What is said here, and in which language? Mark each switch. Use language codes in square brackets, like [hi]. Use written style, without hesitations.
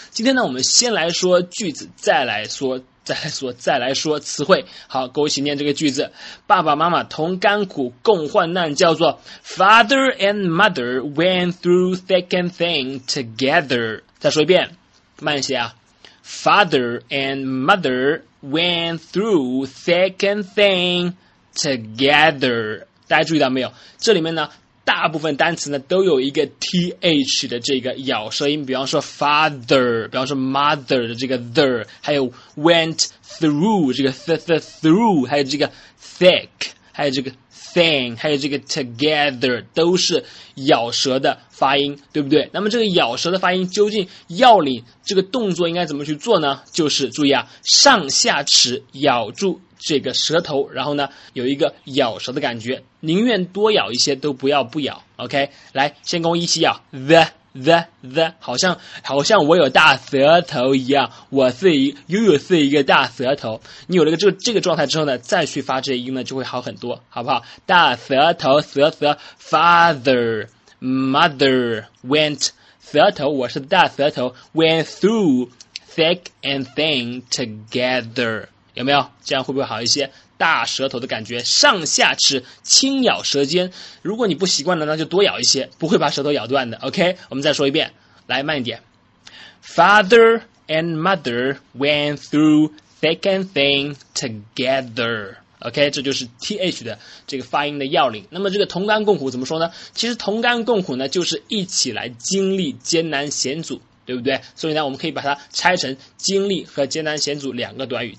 [zh] 今天呢，我们先来说句子，再来说词汇。好，跟我一起念这个句子，爸爸妈妈同甘苦共患难，叫做 [en] Father and mother went through thick and thin together。 [zh] 再说一遍，慢一些啊。 [en] Father and mother went through thick and thin together. [zh] 大家注意到没有？这里面呢，大部分单词呢都有一个 th 的这个咬舌音，比方说 father， 比方说 mother 的这个 the， 还有 went through 这个 through， 还有这个 thick， 还有这个 thin， 还有这个 together， 都是咬舌的发音，对不对？那么这个咬舌的发音究竟要领这个动作应该怎么去做呢？就是注意啊，上下齿咬住这个舌头，然后呢有一个咬舌的感觉，宁愿多咬一些都不要不咬。 OK， 来先跟我一起咬 the， 好像我有大舌头一样，我是一悠悠是一个大舌头。你有了这个状态之后呢，再去发这音呢就会好很多，好不好？大舌头舌 [en] father mother went [zh] 舌头，我是大舌头 [en] went through thick and thin together， 有没有？ [zh] 这样会不会好一些？大舌头的感觉，上下齿轻咬舌尖，如果你不习惯了那就多咬一些，不会把舌头咬断的。 OK， 我们再说一遍，来慢一点。 [en] Father and mother went through thick and thin together。 [zh] OK， 这就是 TH 的这个发音的要领。那么这个同甘共苦怎么说呢？其实同甘共苦呢就是一起来经历艰难险阻，对不对？所以呢我们可以把它拆成经历和艰难险阻两个短语。